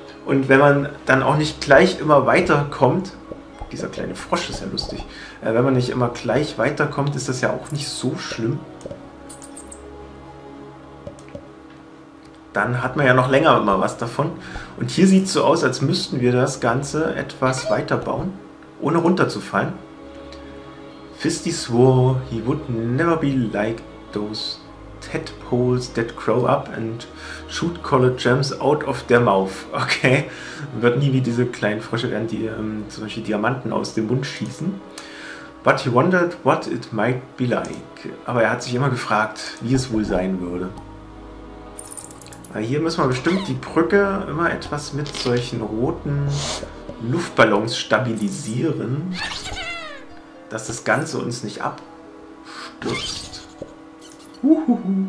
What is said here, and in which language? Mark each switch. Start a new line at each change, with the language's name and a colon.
German: Und wenn man dann auch nicht gleich immer weiterkommt, dieser kleine Frosch ist ja lustig, wenn man nicht immer gleich weiterkommt, ist das ja auch nicht so schlimm. Dann hat man ja noch länger immer was davon. Und hier sieht es so aus, als müssten wir das Ganze etwas weiter bauen, ohne runterzufallen.
English: Fisty swore he would never be like those tadpoles that grow up and shoot colored gems out of their mouth.
German: Okay, wird nie wie diese kleinen Frösche werden, die zum Beispiel Diamanten aus dem Mund schießen.
English: But he wondered what it might be like.
German: Aber er hat sich immer gefragt, wie es wohl sein würde. Hier müssen wir bestimmt die Brücke immer etwas mit solchen roten Luftballons stabilisieren, dass das Ganze uns nicht abstürzt. Uhuhu.